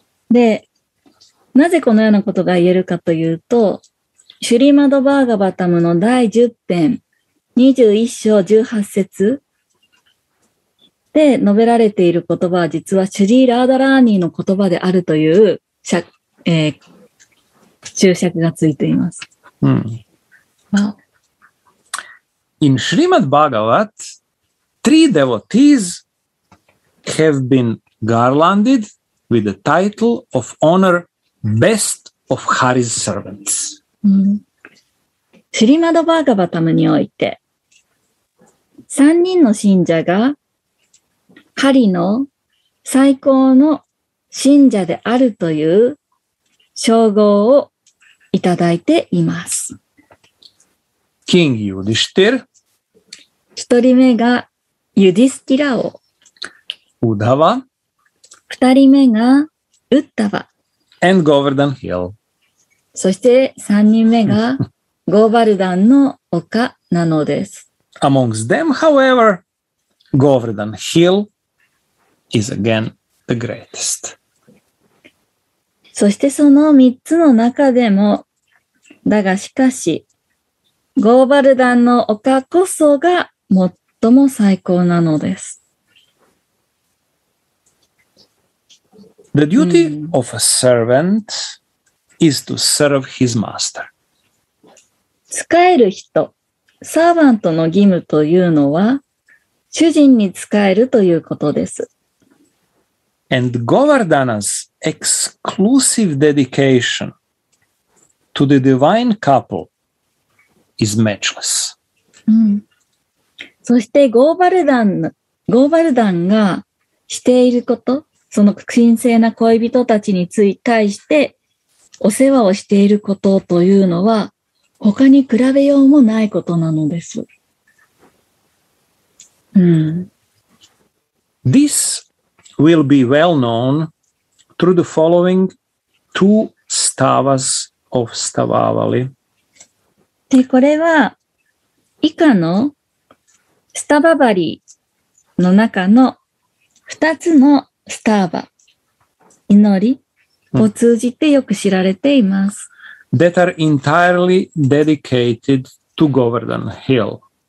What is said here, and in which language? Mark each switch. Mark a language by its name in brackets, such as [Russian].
[Japanese] で、なぜこのようなことが言えるかというと、シュリマドバーガバタムの第10編21章18節で述べられている言葉は実はシュリラーダラーニーの言葉であるという注釈がついています。 Hmm. [English] In Srimad Bhagavat, three devotees have been garlanded with the title of honor, best of Hari's servants. [Japanese] Srimad Bhagavatam において、三人の信者がハリの最高の信者であるという称号をいただいています。 [English] King Yudhishthir. [Japanese] 一人目がユディスティラ王。 [English] Uddhava. [Japanese] 二人目がウッダバ。 [English] And Govardhan Hill. [Japanese] そして三人目がゴーバルダンの丘なのです。 [English] Amongst them, however, Govardhan Hill is again the greatest. [Japanese] そしてその三つの中でも、だがしかし、ゴーバルダンの丘こそが最も最高なのです。 [English] The duty of a servant is to serve his master. [Japanese] 仕える人、サーヴァントの義務というのは、主人に仕えるということです。 [English] And Govardhana's exclusive dedication to the divine couple is matchless.、 [Japanese] うん、そしてゴーバルダンがしていること、その神聖な恋人たちに対してお世話をしていることというのは他に比べようもないことなのです。うん、 [English] This will be well known through the following two stavas of Stavavali. [Japanese] で、これは以下のスタババリの中の二つのスターバ、祈りを通じてよく知られています。 [English] That are entirely dedicated to Govardhan Hill.